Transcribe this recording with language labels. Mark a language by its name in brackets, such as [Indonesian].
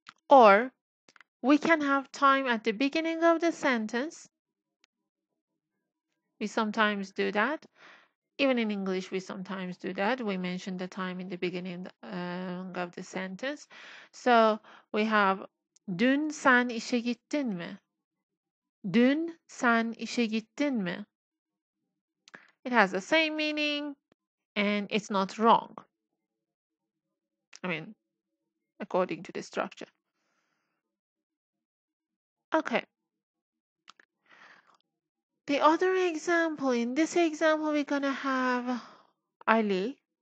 [English] Or we can have time at the beginning of the sentence. We sometimes do that. Even in English, we sometimes do that. We mention the time in the beginning of the sentence. So we have [Turkish] dün sen işe gittin mi? Dün sen işe gittin mi? [English] It has the same meaning and it's not wrong. I mean, according to the structure. Okay. The other example, in this example, we're gonna have Ali.